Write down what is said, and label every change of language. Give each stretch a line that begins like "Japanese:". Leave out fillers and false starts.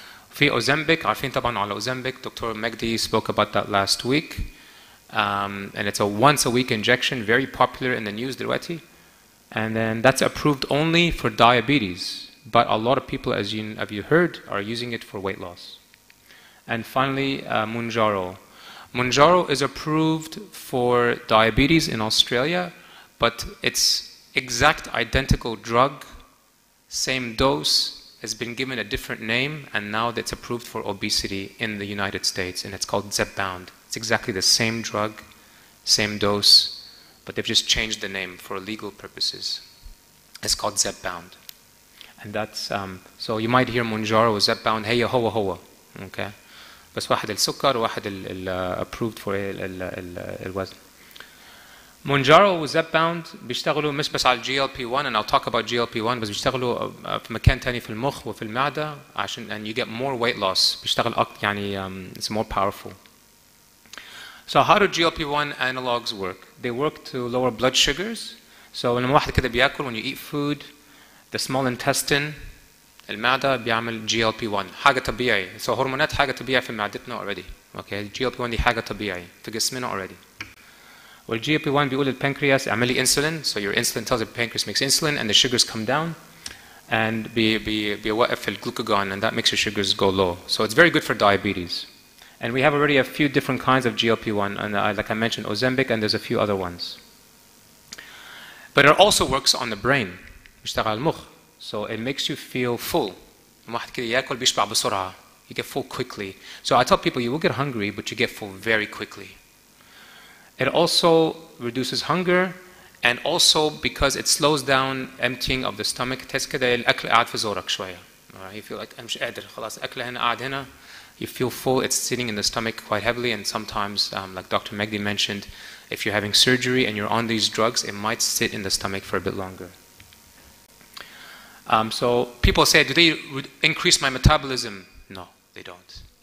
Arabic: في أوزمبيك, عارفين طبعاً على أوزمبيك, Dr.
English: Magdi spoke about that last week. And it's a once-a-week injection, very popular in the news دلوقتي. And then that's approved only for diabetes. but a lot of people, as you have you heard, are using it for weight loss. And finally, Mounjaro. Mounjaro is approved for diabetes in Australia, but it's exact identical drug, same dose, has been given a different name, and now it's approved for obesity in the United States, and it's called Zepbound. It's exactly the same drug, same dose, but they've just changed the name for legal purposes. It's called Zepbound. And that's, so you might hear Mounjaro or Zepbound, hey,
Arabic: hoa hoa,
English: okay?
Arabic: بس واحد السكر واحد ال approved for الوزن. Mounjaro Zepbound بيشتغلوا مش بس على GLP-1
English: and I'll talk about GLP-1
Arabic: بس بيشتغلوا في مكان تاني في المخ وفي المعدة عشان
English: and you get more weight loss
Arabic: بيشتغل أكتر يعني
English: it's more powerful. So how do GLP-1 analogs work? They work to lower blood sugars. So
Arabic: لما واحد كده بياكل
English: when you eat food, the small intestine
Arabic: المعدة بيعمل
English: GLP-1
Arabic: حاجة طبيعية. So هرمونات حاجة طبيعية في معدتنا already. Okay, GLP-1 دي حاجة طبيعية في جسمنا already. Well, GLP-1 بيقول للبنكرياس اعمل لي insulin.
English: So your insulin tells the pancreas makes insulin and the sugars come down and
Arabic: بيوقف الجلوكاغون
English: and that makes your sugars go low. So it's very good for diabetes. And we have already a few different kinds of GLP-1 and like I mentioned, Ozempic and there's a few other ones. But it also works on the brain.
Arabic: بيشتغل المخ.
English: So it makes you feel full.
Arabic: واحد كده ياكل بيشبع بسرعة.
English: You get full quickly. So I tell people you will get hungry, but you get full very quickly. It also reduces hunger, and also because it slows down emptying of the stomach.
Arabic: تحس كده الأكل قاعد في زورك شوية.
English: You feel like
Arabic: مش قادر خلاص أكل هنا قاعد هنا.
English: You feel full. It's sitting in the stomach quite heavily, and sometimes, like Dr. Magdi mentioned, if you're having surgery and you're on these drugs, it might sit in the stomach for a bit longer. So people say, do they increase my metabolism? No, they don't.